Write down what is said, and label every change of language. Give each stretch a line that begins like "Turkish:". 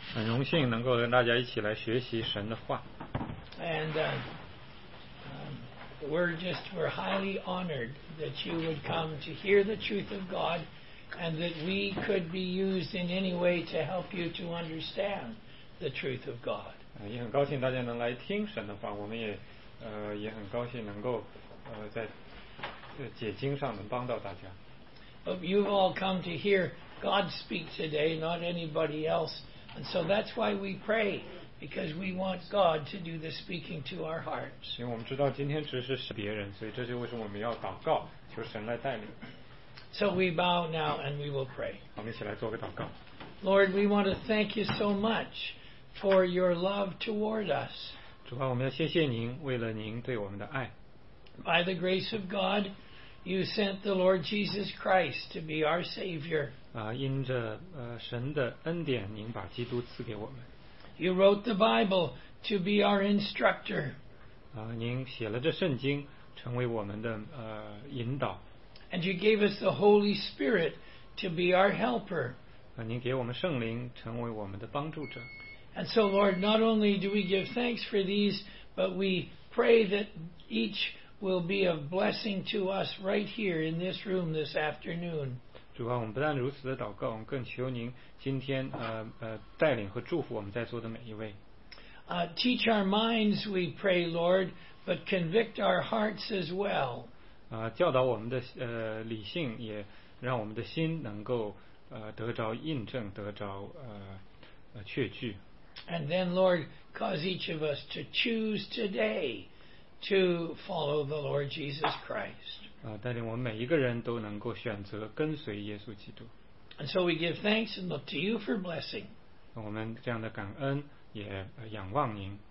Chinese: 很荣幸能够跟大家一起来学习神的话。
English: And we're highly honored that you would come to hear the truth of God, and that we could be used in any way to help you to understand the truth of God.
Chinese: 也很高兴大家能来听神的话，我们也也很高兴能够在解经上能帮到大家。
English: You've all come to hear God speak today, not anybody else. And so that's why we pray, because we want God to do the speaking to our hearts.
Chinese: 因为我们知道今天只是别人，所以这就为什么我们要祷告，求神来带领。
English: So we bow now and we will pray.
Chinese: 我们一起来做个祷告。
English: Lord, we want to thank you so much for your love toward us.
Chinese: 主啊，我们要谢谢您，为了您对我们的爱。
English: By the grace of God, you sent the Lord Jesus Christ to be our Savior.
Chinese: 因着神的恩典，您把基督赐给我们。
English: You wrote the Bible to be our instructor.
Chinese: 您写了这圣经，成为我们的引导。
English: And you gave us the Holy Spirit to be our helper.
Chinese: 您给我们圣灵，成为我们的帮助者。
English: And so, Lord, not only do we give thanks for these, but we pray that each will be a blessing to us right here in this room this afternoon.
Chinese: 主啊，我们不但如此的祷告，我们更求您今天带领和祝福我们在座的每一位。
English: Teach our minds, we pray, Lord, but convict our hearts as well.
Chinese: 教导我们的理性，也让我们的心能够得着印证，得着确据。
English: And then, Lord, cause each of us to choose today to follow the Lord Jesus Christ.
Chinese: 带领我们每一个人都能够选择跟随耶稣基督。
English: And so we give thanks and look to you for blessing.
Chinese: 我们这样的感恩也仰望您。